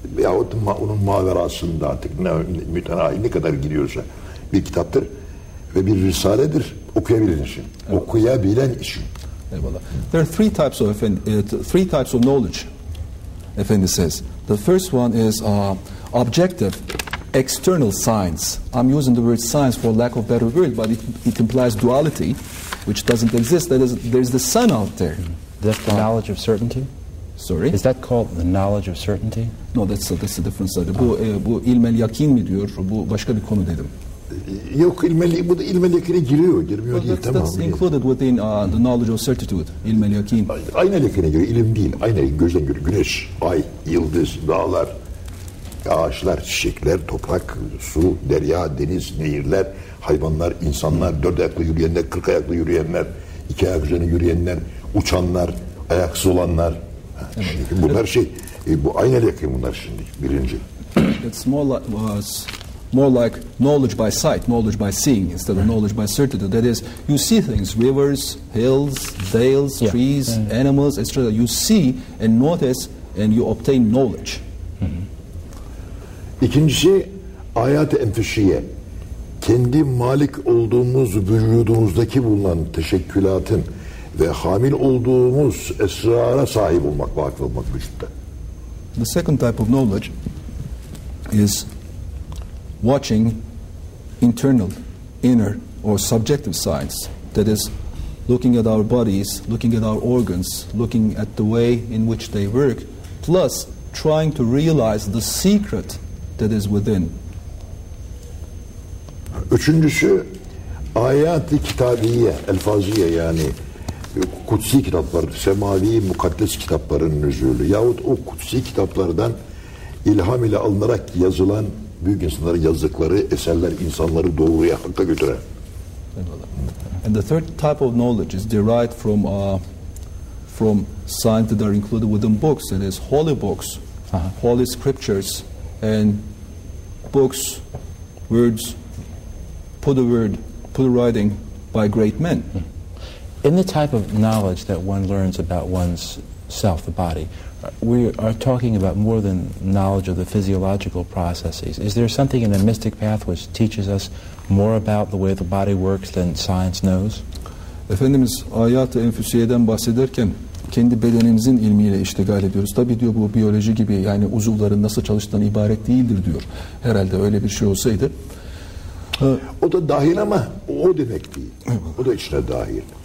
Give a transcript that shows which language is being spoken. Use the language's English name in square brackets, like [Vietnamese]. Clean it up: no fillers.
[Turkish] Veyahut onun maverasında artık ne kadar giriyorsa bir kitaptır. Ve bir risaledir. Okuyabilen için. Evet. Okuyabilen için. Eyvallah. [English] There are three types of knowledge, Efendi says. The first one is objective, external science. I'm using the word science for lack of better word, but it implies duality, which doesn't exist. That is, there's the sun out there. That's the knowledge of certainty? Sorry? Is that called the knowledge of certainty? No, that's a different study. Oh. [Turkish] Bu ilmel yakin mi diyor? Bu başka bir konu dedim. Yok, bu da ilmel yakine giriyor değil, tamam. [English] That's included within the knowledge of certitude, ilmel yakin. [Turkish] Aynel yakine giriyor, ilim değil. Aynel, gözden görür. Güneş, ay, yıldız, dağlar, ağaçlar, çiçekler, toprak, su, derya, deniz, nehirler, hayvanlar, insanlar, dört ayaklı yürüyenler, kırk ayaklı yürüyenler, iki ayak üzerine yürüyenler, uçanlar, ayaksız olanlar. Evet. Şimdi bunlar bu aynel yakin bunlar şimdi, birinci. [English] It's more like knowledge by sight, knowledge by seeing, instead of knowledge by certitude. That is, you see things, rivers, hills, dales, yeah, trees, yeah, animals, etc. You see and notice and you obtain knowledge. Mm-hmm. [Turkish] İkincisi, ayat-ı enfüsiye, kendi malik olduğumuz vücudumuzdaki bulunan teşekkülatın ve hamil olduğumuz esrara sahip olmak, vakıf olmak vücutta. [English] The second type of knowledge is watching internal, inner, or subjective science. That is, looking at our bodies, looking at our organs, looking at the way in which they work, plus trying to realize the secret that is within. [Turkish] Üçüncüsü, ayat-ı kitabiye, elfaziye, yani kutsi kitaplar, semavi mukaddes kitapların nüzulü, yahut o kutsi kitaplardan ilham ile alınarak yazılan büyük insanları, yazdıkları eserler insanları doğruya, hakka götüren. [English] And the third type of knowledge is derived from signs that are included within books, that is holy books, uh-huh, holy scriptures, and books, words, put a writing by great men. In the type of knowledge that one learns about one's self, the body, we are talking about more than knowledge of the physiological processes. Is there something in the mystic path which teaches us more about the way the body works than science knows? [Turkish] Efendimiz ayat-ı enfüsiyeden bahsederken kendi bedenimizin ilmiyle iştigal ediyoruz. Tabii diyor, bu biyoloji gibi, yani uzuvların nasıl çalıştığından ibaret değildir diyor. Herhalde öyle bir şey olsaydı. O da dahil ama o demek değil. O da içine dahil.